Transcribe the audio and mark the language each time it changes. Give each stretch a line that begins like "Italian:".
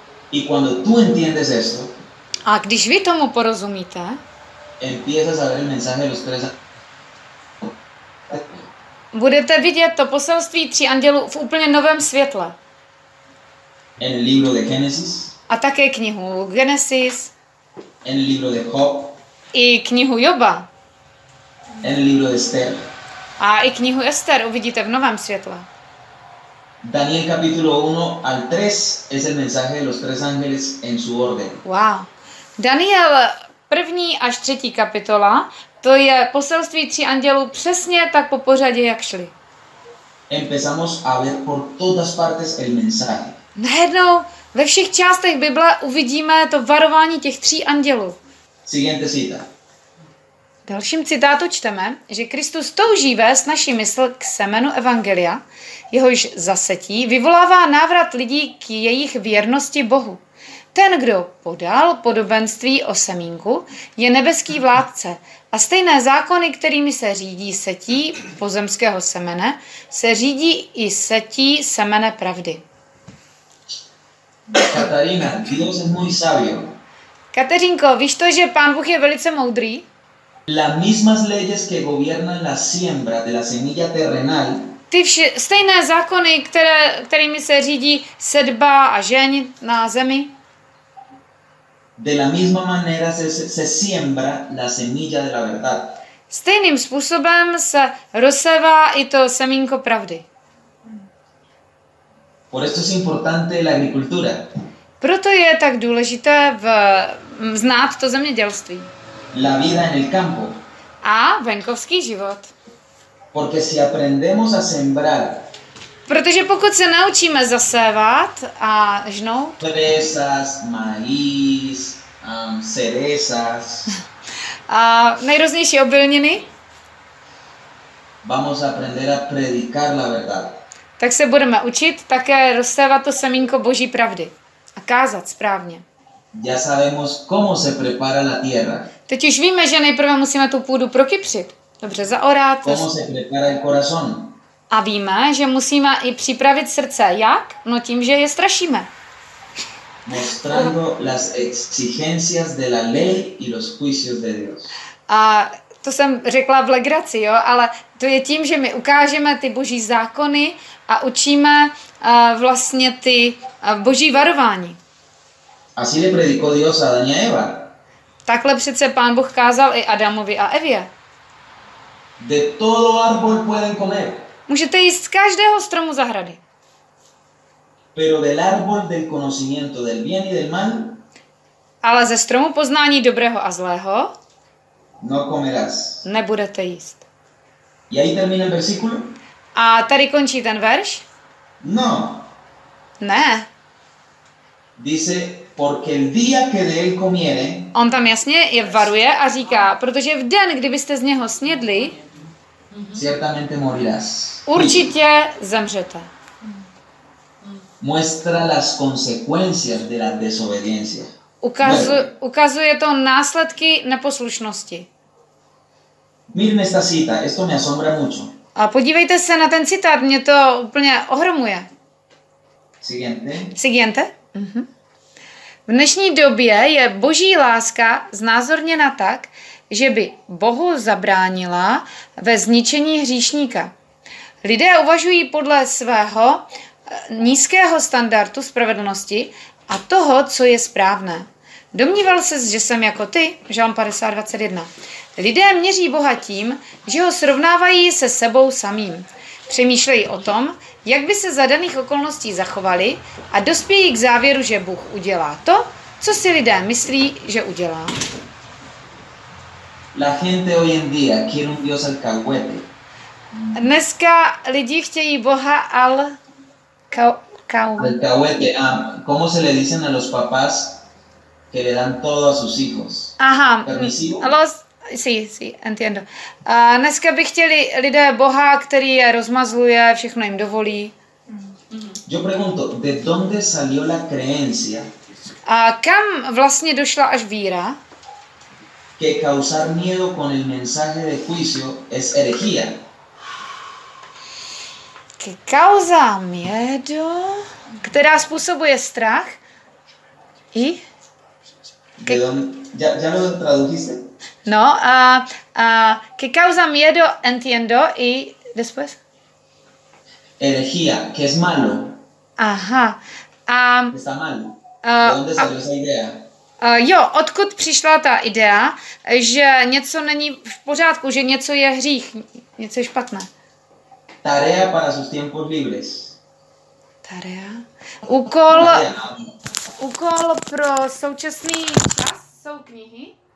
Spanish: Y cuando tú entiendes esto,
Czech: a když vy tomu porozumíte,
Spanish: empiezas a ver el mensaje de los tres.
Czech: Budete vidět to poselství tří andělů v úplně novém světle.
Spanish: En el libro de Génesis.
Czech: A také knihu Genesis.
Spanish: En el libro de Job.
Czech: I knihu Joba.
Spanish: En el libro de Esther.
Czech: A i knihu Ester uvidíte v novém světle.
Spanish: Daniel capítulo 1 al 3 es el mensaje de los tres ángeles en su orden.
Czech: Wow. Daniel 1. až 3. kapitola, to je poselství tří andělů přesně tak po pořadě, jak šli.
Spanish: Empezamos a ver por todas partes el mensaje.
Czech: Najednou ve všech částech Bible uvidíme to varování těch tří andělů.
Spanish: Siguiente cita.
Czech: Dalším citátu čteme, že Kristus touží vést naši mysl k semenu evangelia, jehož zasetí vyvolává návrat lidí k jejich věrnosti Bohu. Ten, kdo podal podobenství o semínku, je nebeský vládce a stejné zákony, kterými se řídí setí pozemského semene, se řídí i setí semene pravdy.
Spanish: Katarína, Dios es muy sabio.
Czech: Kateřinko, víš to, že Pán Bůh je velice moudrý?
Spanish: Las mismas leyes que gobiernan la siembra de la semilla terrenal.
Czech: Ty stejné zákony, kterými se řídí sedba a žeň na zemi.
Spanish: De la misma manera se siembra la semilla de la verdad.
Czech: Stejným způsobem se rozsevá i to semínko pravdy.
Spanish: Por esto es importante la agricultura.
Czech: Proto je tak důležité znát to zemědělství.
Spanish: La vida en el campo.
Czech: A venkovský život.
Spanish: Porque si aprendemos a sembrar.
Czech: Protože pokud se naučíme zasévat a žnout.
Spanish: Cerezas, maíz, cerezas.
Czech: A nejrůznější obilniny.
Spanish: Vamos a aprender a predicar la verdad.
Czech: Tak se budeme učit také rozsévat to semínko Boží pravdy. A kázat správně.
Spanish: Ya sabemos cómo se prepara la tierra.
Czech: Teď už víme, že nejprve musíme tu půdu prokypřit. Dobře, zaorát.
Spanish: Cómo se prepara el corazón.
Czech: A víme, že musíme i připravit srdce. Jak? No tím, že je strašíme.
Spanish: Mostrando las exigencias de la ley y los juicios de Dios.
Czech: A to jsem řekla v legraci, jo, ale to je tím, že my ukážeme ty boží zákony a učíme vlastně ty boží varování.
Spanish: Así le predicó Dios a Adán y a Eva.
Czech: Takhle přece Pán Bůh kázal i Adamovi a Evě.
Spanish: De todo árbol pueden comer.
Czech: Můžete jíst z každého stromu zahrady.
Spanish: Pero del árbol del conocimiento del bien y del mal.
Czech: Ale ze stromu poznání dobrého a zlého.
Spanish: No comerás.
Czech: Nebudete jíst.
Spanish: Y ahí termina el versículo.
Czech: A tady končí ten verš?
Spanish: No.
Czech: Ne.
Spanish: Dice porque el día que de él comiere.
Czech: On tam jasně je varuje a říká, protože v den, kdybyste z něho snědli,
Spanish: ciertamente morirás.
Czech: Určitě zemřete.
Spanish: Muestra las consecuencias de la desobediencia.
Czech: Ukazuje to následky neposlušnosti.
Spanish: Miren esta cita, esto me asombra mucho.
Czech: A podívejte se na ten citát, mě to úplně ohromuje.
Spanish: Siguiente.
Czech: V dnešní době je boží láska znázorněna tak, že by Bohu zabránila ve zničení hříšníka. Lidé uvažují podle svého nízkého standardu spravedlnosti a toho, co je správné. Domníval ses, že jsem jako ty, Žalm 50:21. Lidé měří Boha tím, že ho srovnávají se sebou samým. Přemýšlejí o tom, jak by se za daných okolností zachovali a dospějí k závěru, že Bůh udělá to, co si lidé myslí, že udělá.
Spanish: La gente hoy en día quiere un Dios alcahuete.
Czech: Dneska lidi chtějí Boha
Spanish: alcahuete. ¿Cómo se le dicen a los papás que le dan todo a sus hijos? Aha. Permisivo. Sí, entiendo.
Czech: A dneska by chtěli lidé Boha, který je rozmazluje, všechno jim dovolí.
Spanish: Yo pregunto, ¿de dónde salió la creencia?
Czech: A kam vlastně došla až víra?
Spanish: Que causar miedo con el mensaje de juicio es herejía. Que causa miedo,
Czech: která způsobuje strach. I?
Spanish: Que... ¿De dónde? ¿Ya lo tradujiste? No, que causa miedo, entiendo, y después. Herejía, que es malo. Ajá. Está mal. ¿De dónde salió esa idea?
Czech: Jo, odkud přišla ta idea, že něco není v pořádku, že něco je hřích, něco je špatné?
Spanish: Tarea para sus tiempos libres. Tarea? Úkol, tarea.
Czech: Úkol pro současný čas jsou knihy.